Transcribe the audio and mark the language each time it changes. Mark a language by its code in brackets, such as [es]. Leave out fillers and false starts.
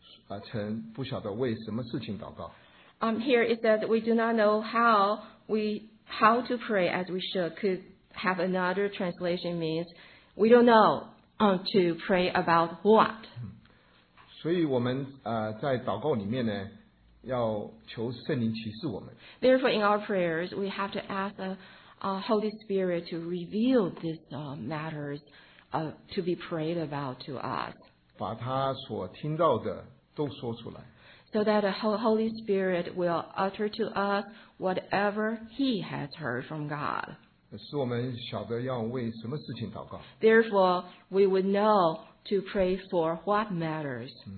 [zh] 这里不晓得怎么祷告也可以翻译成不晓得为什么事情祷告。 [en] Here it says we do not know how to pray as we should could have another translation means we don't know to pray about what. [zh] 所以我们在祷告里面呢，要求圣灵启示我们。 [en] Therefore, in our prayers, we have to ask the Holy Spirit to reveal these matters to be prayed about to us. [zh] 把他所听到的都说出来。 [en] So that the Holy Spirit will utter to us whatever He has heard from God. [zh] 使我们晓得要为什么事情祷告。 [en] Therefore, we would know to pray for what matters.